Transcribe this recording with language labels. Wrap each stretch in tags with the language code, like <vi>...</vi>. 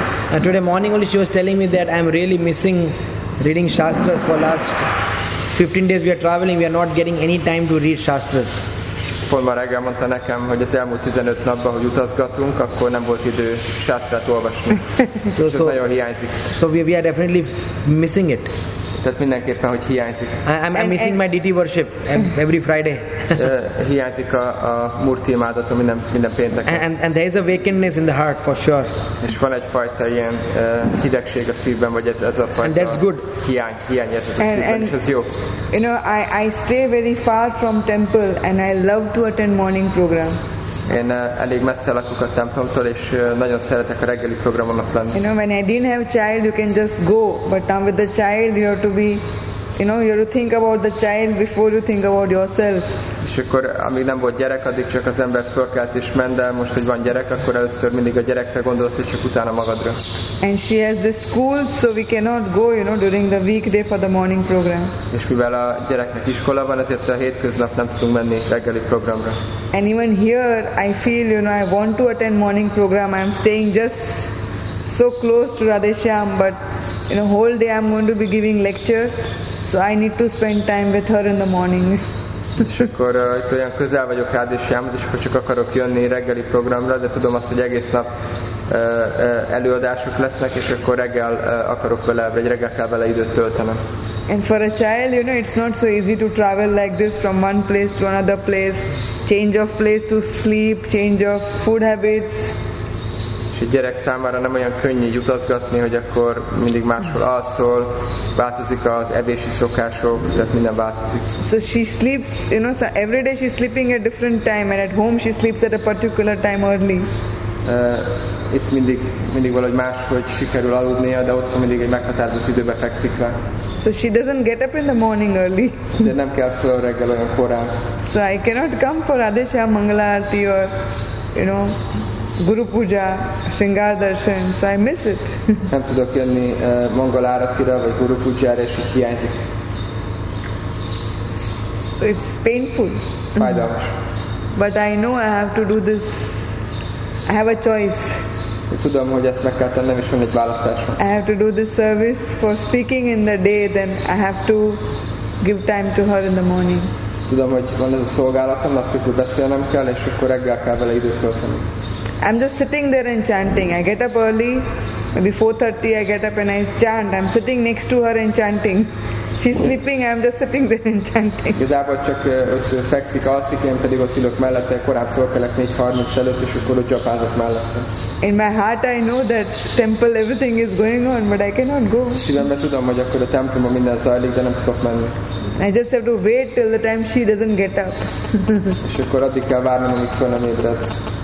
<en>Today morning only she was telling me that I'm really missing reading shastras. For last 15 days we are traveling, we are not getting any time to read shastras.</en> <hu>Pont ma reggel mondta nekem, hogy az elmúlt 15 napban, hogy utazgatunk, akkor nem volt idő shastrát olvasni.</hu> <en>So</en> <hu>nagyon hiányzik.</hu> <en>So we are definitely missing it.</en> <hu>Tehát mindenképpen, hogy hiányzik.</hu> <en>I'm missing my deity worship every Friday.</en> <hu>Hiányzik a murti imádatom minden pénteken.</hu> <en>And there is a vacantness in the heart, for sure.</en> <hu>És van egyfajta ilyen hidegség a szívben, vagy ez a fajta.</hu> <en>And that's good.</en> <hu>Hiány ez a szívben, és ez jó.</hu> <en>You know, I stay very far from temple, and I love to attend morning program.</en> <hu>Én elég messze lakok a templomtól, és nagyon szeretek a reggeli programonak lenni.</hu> <en>You know, when I didn't have child, you can just go, but now with the child, you have to be, you know, you have to think about the child before you think about yourself.</en> <hu>És akkor, amíg nem volt gyerek, addig csak az ember fölkelt és ment, de most, hogy van gyerek, akkor először mindig a gyerekre gondolsz, és csak utána magadra.</hu> <en>And she has the school, so we cannot go, you know, during the weekday for the morning program.</en> <hu>És mivel a gyereknek iskola van, ezért a hétköznap nem tudunk menni reggeli programra.</hu> <en>And even here, I feel, you know, I want to attend morning program, I'm staying just so close to Radhesham, but in a whole day I'm going to be giving lecture, so I need to spend time with her in the morning.</en> <hu>És akkor itt olyan közel vagyok rád és jámod, és akkor csak akarok jönni reggeli programra, de tudom azt, hogy egész nap előadások lesznek, és akkor reggel akarok vele, vagy reggel kell vele időt töltenem.</hu> <en>And for a child, you know, it's not so easy to travel like this from one place to another place, change of place to sleep, change of food habits.</en> <hu>És egy gyerek számára nem olyan könnyű utazgatni, hogy akkor mindig máshol alszol, változik az evési szokások, tehát minden változik.</hu> <en>So she sleeps, you know, so every day she's sleeping at different time, and at home she sleeps at a particular time early.</en> <hu>Itt mindig valahogy máshogy sikerül aludnia, de ott mindig egy meghatározott időbe fekszik le.</hu> <en>So she doesn't get up in the morning early.</en> <hu>Ezért nem kell föl reggel olyan korán.</hu> <en>So I cannot come for Radhesham Mangala Arati or, you know, Guru Puja, Shringar Darshan, so I miss it.</en> <hu>Nem tudok jönni Mangala Aratira vagy Guru Pujára, és így hiányzik.</hu> <en>So it's painful.</en> <hu>Fájdalmas.</hu> <en>But I know I have to do this. I have a choice.</en> <hu>Én tudom, hogy ezt meg kell tennem, és van egy választásom.</hu> <en>I have to do this service for speaking in the day, then I have to give time to her in the morning.</en> <hu>Tudom, hogy van ez a szolgálatom, napközben beszélnem kell, és akkor reggel kell vele időt tölteni.</hu> <en>I'm just sitting there and chanting. I get up early, maybe 4:30 I get up and I chant. I'm sitting next to her and chanting. She's sleeping, I'm just sitting there and chanting.</en> <hu>Igazából csak ott fekszik, alszik, én pedig ott ülök mellette, korán fölkelek 4:30 előtt, és akkor ott csapázok mellette.</hu> <en>In my heart I know that temple everything is going on, but I cannot go.</en> <hu>Szívemben tudom, hogy akkor a templomban minden zajlik, de nem tudok menni.</hu> <en>I just have to wait till the time she doesn't get up.</en> <hu>És akkor addig kell várnom, amíg föl nem ébred.</hu>